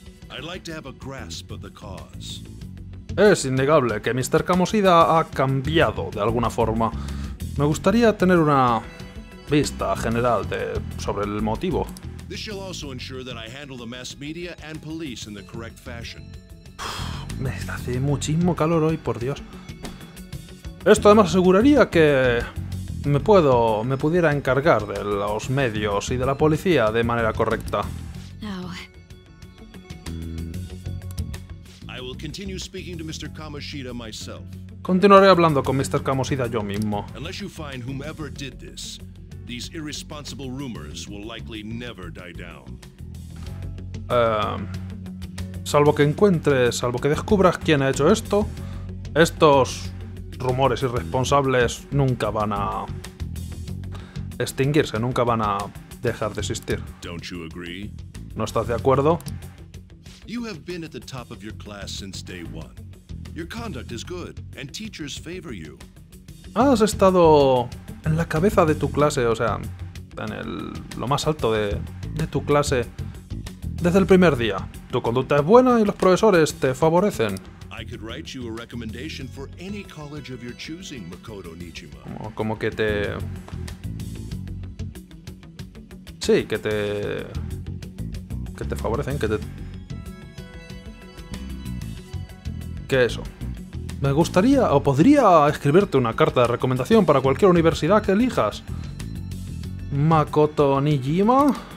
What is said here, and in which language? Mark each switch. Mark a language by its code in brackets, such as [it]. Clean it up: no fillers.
[en] I'd like to have a grasp of the cause. [es] Es innegable que Mr. Kamoshida ha cambiado de alguna forma. Me gustaría tener una vista general sobre el motivo. [en] This shall also ensure that I handle the mass media and police in the correct fashion. [es] Me hace muchísimo calor hoy, por Dios. Esto además aseguraría que me pudiera encargar de los medios y de la policía de manera correcta. Oh. [en] I will continue speaking to Mr. Kamoshida myself. [es] Continuaré hablando con Mr. Kamoshida yo mismo. [en] Unless you find whomever did this, these irresponsible rumors will likely never die down. [es] Salvo que descubras quién ha hecho esto, estos rumores irresponsables nunca van a extinguirse, nunca van a dejar de existir. [en] Don't you agree? [es] ¿No estás de acuerdo? [en] You have been at the top of your class since day one. Your conduct is good, and teachers favor you. [es] Has estado en la cabeza de tu clase, o sea, en lo más alto de tu clase desde el primer día. Tu conducta es buena y los profesores te favorecen. [en] I could write you a recommendation for any college of your choosing, Makoto Nijima. [es] Como que te sí, que te favorecen, que eso. Me gustaría o podría escribirte una carta de recomendación para cualquier universidad que elijas, Makoto Nijima.